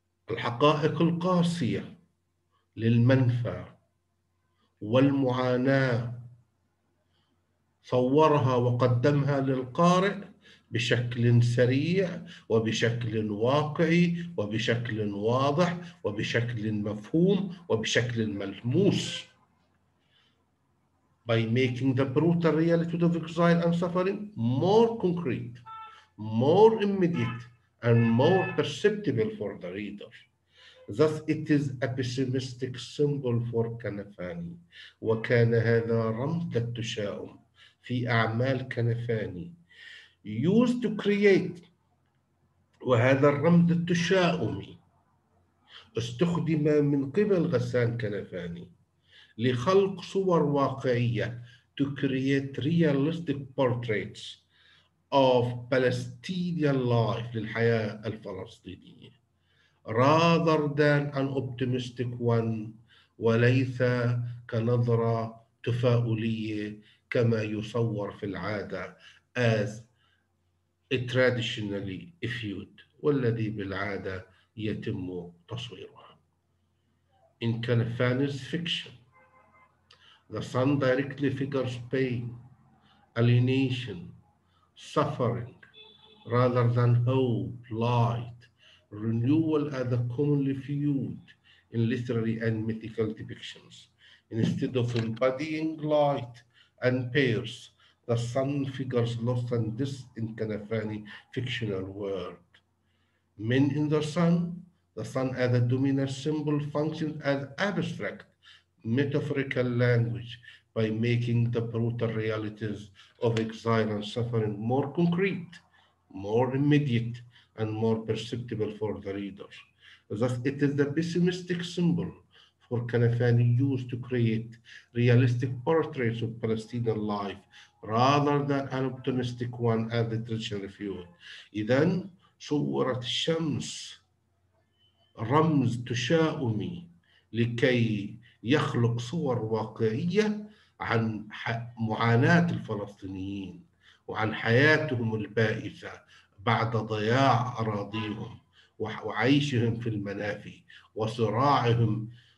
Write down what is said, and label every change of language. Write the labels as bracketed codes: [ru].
[ar] الحقائق القاسية للمنفى والمعاناة صورها وقدمها للقارئ بشكل سريع وبشكل واقعي وبشكل واضح وبشكل مفهوم وبشكل ملموس. [en] By making the brutal reality of exile and suffering more concrete, more immediate and more perceptible for the reader. Thus it is a pessimistic symbol for Kanafani. [ar] وكان هذا رمز التشاؤم في أعمال كنفاني. [en] Used to create, [ar] وهذا الرمز التشاؤمي استخدم من قبل غسان كنفاني لخلق صور واقعية, [en] to create realistic portraits of Palestinian life, [ar] للحياة الفلسطينية, [en] rather than an optimistic one, [ar] وليس كنظرة تفاؤلية كما يصور في العادة, [en] as traditionally viewed, [ar] والذي بالعادة يتم تصويره. [en] In Kanafani's fiction, the sun directly figures pain, alienation, suffering, rather than hope, light, renewal as the commonly viewed in literary and mythical depictions. Instead of embodying light and pairs, the sun figures loss and death in Kanafani fictional world. Men in the sun as a dominant symbol functions as abstract metaphorical language by making the brutal realities of exile and suffering more concrete, more immediate, and more perceptible for the reader. Thus, it is the pessimistic symbol for Kanafani used to create realistic portraits of Palestinian life rather than an optimistic one as the traditional view. [ar] إذن صورة الشمس رمز تشاؤمي لكي يخلق صور واقعية عن معاناة الفلسطينيين وعن حياتهم البائسة بعد ضياع أراضيهم وعيشهم في المنافي وصراعهم